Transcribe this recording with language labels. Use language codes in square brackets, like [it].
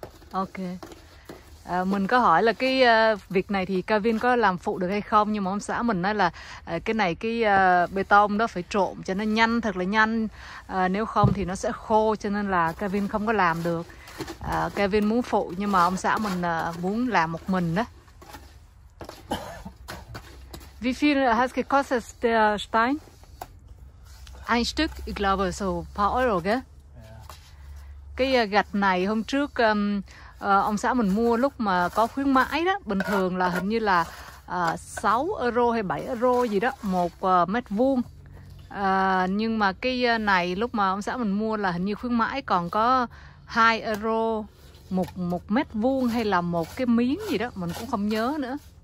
[vi] Ok. Mình có hỏi là cái việc này thì Kevin có làm phụ được hay không, nhưng mà ông xã mình nói là cái này cái bê tông đó phải trộn cho nó nhanh, thật là nhanh, nếu không thì nó sẽ khô, cho nên là Kevin không có làm được. Kevin muốn phụ nhưng mà ông xã mình muốn làm một mình đó. [de] Wie viel hat gekostet der Stein? Ein Stück, ich glaube so ein paar Euro, gell? [vi] Cái gạch này hôm trước ông xã mình mua lúc mà có khuyến mãi đó, bình thường là hình như là 6 euro hay 7 euro gì đó một mét vuông. Nhưng mà cái này lúc mà ông xã mình mua là hình như khuyến mãi còn có 2 euro một mét vuông hay là một cái miếng gì đó, mình cũng không nhớ nữa.